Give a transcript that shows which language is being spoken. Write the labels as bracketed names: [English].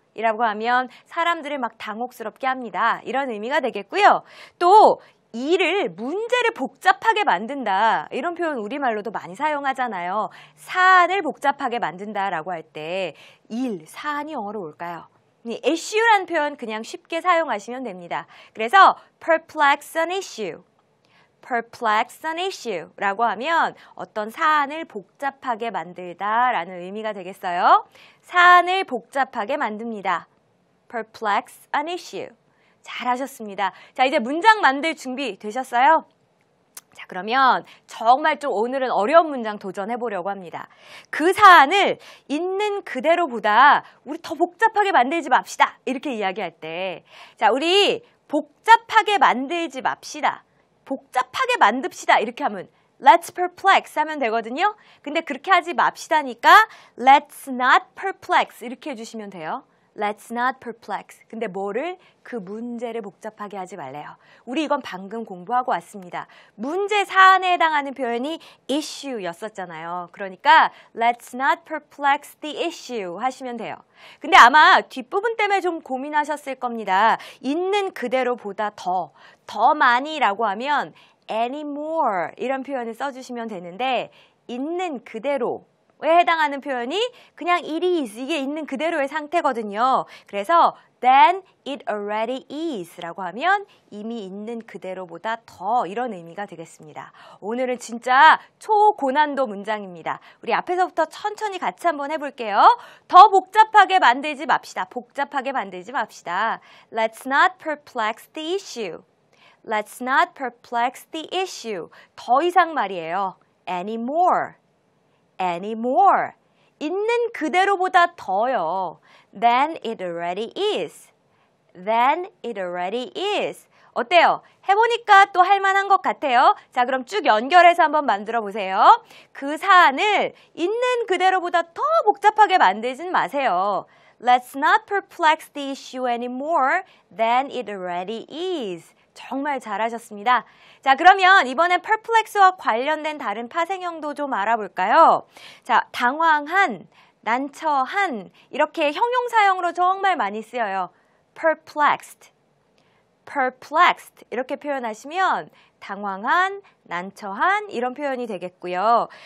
[Korean] 이라고 하면 사람들을 막 당혹스럽게 합니다. 이런 의미가 되겠고요. 또 일을, 문제를 복잡하게 만든다. 이런 표현 우리말로도 많이 사용하잖아요. 사안을 복잡하게 만든다라고 할 때 일, 사안이 영어로 올까요? issue라는 표현 그냥 쉽게 사용하시면 됩니다. [English] 그래서 perplex an issue. [Korean] perplex an issue 라고 하면 어떤 사안을 복잡하게 만들다 라는 의미가 되겠어요. 사안을 복잡하게 만듭니다. [English] perplex an issue. 잘하셨습니다. [Korean] 자, 이제 문장 만들 준비 되셨어요? 자, 그러면 정말 좀 오늘은 어려운 문장 도전해 보려고 합니다. 그 사안을 있는 그대로보다 우리 더 복잡하게 만들지 맙시다. 이렇게 이야기할 때, 자, 우리 복잡하게 만들지 맙시다. 복잡하게 만듭시다. 이렇게 하면 let's perplex 하면 되거든요. 근데 그렇게 하지 맙시다니까 let's not perplex 이렇게 해주시면 돼요. [English] Let's not perplex. 근데 뭐를? [Korean] 그 문제를 복잡하게 하지 말래요. 우리 이건 방금 공부하고 왔습니다. 문제 사안에 해당하는 표현이 issue였었잖아요. 그러니까 let's not perplex the issue 하시면 돼요. 근데 아마 뒷부분 때문에 좀 고민하셨을 겁니다. 있는 그대로보다 더 많이 라고 하면 anymore 이런 표현을 써주시면 되는데 있는 그대로 에 해당하는 표현이 그냥 it is, 이게 있는 그대로의 상태거든요. 그래서 then it already is 라고 하면 이미 있는 그대로보다 더 이런 의미가 되겠습니다. 오늘은 진짜 초고난도 문장입니다. 우리 앞에서부터 천천히 같이 한번 해볼게요. 더 복잡하게 만들지 맙시다. 복잡하게 만들지 맙시다. [English] Let's not perplex the issue. Let's not perplex the issue. 더 이상 말이에요. Anymore. Anymore. 있는 그대로보다 더요. Than it already is. Than it already is. 어때요? [Korean] 해보니까 또 할 만한 것 같아요. 자, 그럼 쭉 연결해서 한번 만들어 보세요. 그 사안을 있는 그대로보다 더 복잡하게 만들진 마세요. [English] Let's not perplex the issue anymore than it already is. [Korean] 정말 잘하셨습니다. 자, 그러면 이번엔 perplex와 관련된 다른 파생형도 좀 알아볼까요? 자, 당황한, 난처한 이렇게 형용사형으로 정말 많이 쓰여요. [English] Perplexed. [Korean] Perplexed 이렇게 표현하시면 당황한, 난처한 이런 표현이 되겠고요.